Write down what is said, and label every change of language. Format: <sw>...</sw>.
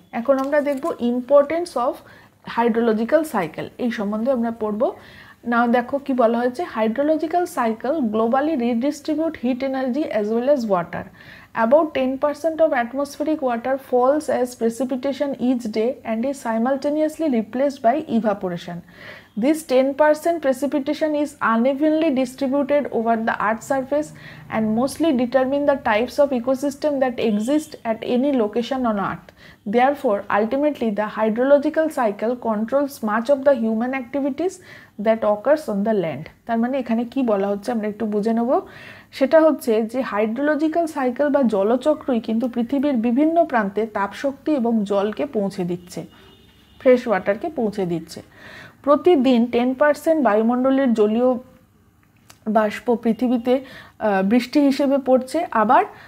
<bn>এখন আমরা দেখব ইম্পর্টেন্স অফ হাইড্রোলজিক্যাল সাইকেল, এই সম্বন্ধে আমরা পড়ব।</bn> <en>now</en> <bn>দেখো কি বলা হয়েছে,</bn> <en>Hydrological cycle globally redistribute heat energy as well as water. About 10% of atmospheric water falls as precipitation each day and is simultaneously replaced by evaporation. This 10% precipitation is unevenly distributed over the earth surface and mostly determine the types of ecosystem that exist at any location on earth. Therefore, ultimately the hydrological cycle controls much of the human activities that occurs on the land.</en> <bn>তার মানে এখানে কি বলা হচ্ছে আমরা একটু বুঝে নেব, সেটা হচ্ছে যে হাইড্রোলজিক্যাল সাইকেল বা জলচক্রই কিন্তু পৃথিবীর বিভিন্ন প্রান্তে তাপশক্তি এবং জলকে পৌঁছে দিচ্ছে, ফ্রেশ ওয়াটারকে পৌঁছে দিচ্ছে। প্রতিদিন 10% বায়ুমণ্ডলের জলীয় বাষ্প পৃথিবীতে বৃষ্টি হিসেবে পড়ছে, আবার</bn>